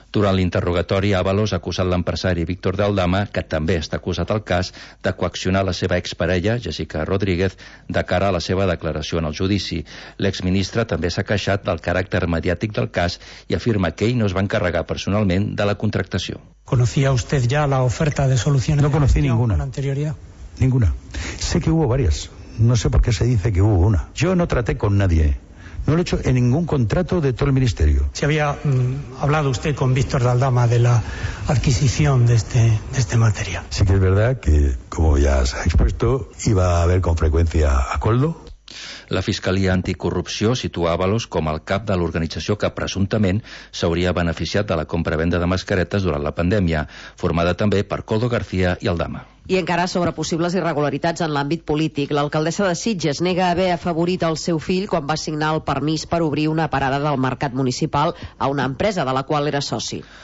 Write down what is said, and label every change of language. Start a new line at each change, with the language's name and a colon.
Catalan: Durant l'interrogatori, Ábalos ha acusat l'empresari Víctor de Aldama, que també està acusat al cas, de coaccionar la seva exparella, Jessica Rodríguez, de cara a la seva declaració en el judici. L'exministre també s'ha queixat del caràcter mediàtic del cas i afirma que ell no es va encarregar personalment de la contractació.
Spanish: ¿Conocía usted ya la oferta de solución? No conocí ninguna. ¿En anterioridad? Ninguna. Sé que hubo varias. No sé por qué se dice que hubo una. Yo no traté con nadie. No lo he hecho en ningún contrato de todo el ministerio. ¿Si había hablado usted con Víctor de Aldama de la adquisición de este material? Sí que es verdad que, como ya se ha expuesto, iba a haber con frecuencia a Coldo.
Catalan: La Fiscalia Anticorrupció situava-los com el cap de l'organització que presumptament s'hauria beneficiat de la compra-venda de mascaretes durant la pandèmia, formada també per Coldo García i Aldama. I encara sobre possibles irregularitats en l'àmbit polític, l'alcaldessa de Sitges nega haver afavorit el seu fill quan va signar el permís per obrir una parada del mercat municipal a una empresa de la qual era soci.